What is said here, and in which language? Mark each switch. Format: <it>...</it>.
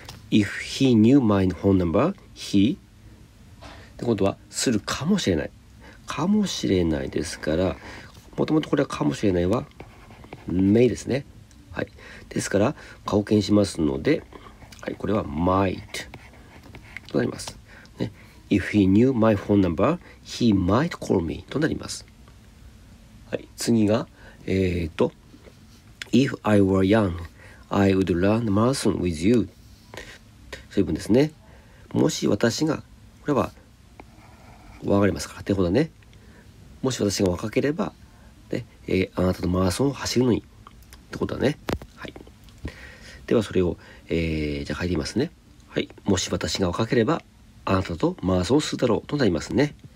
<en>If he knew my phone number he、</en> <ja>ってことはするかもしれない、かもしれないですから、もともとこれはかもしれないは may ですね。はい、ですから過去形しますので、はい、これは might となります、ね。</ja> <en>If he knew my phone number, he might call me</en> <ja>となります。はい、次が、</ja> <en>If I were young, I would run a marathon with you.</en> <ja>そういう文ですね。もし私が、これは、わかりますか？ってことだね。もし私が若ければ、ね、あなたのマラソンを走るのに。ってことだね。はい。ではそれを、じゃあ書いてみますね。はい、もし私が若ければあなたとマラソンをするだろうとなりますね。</ja>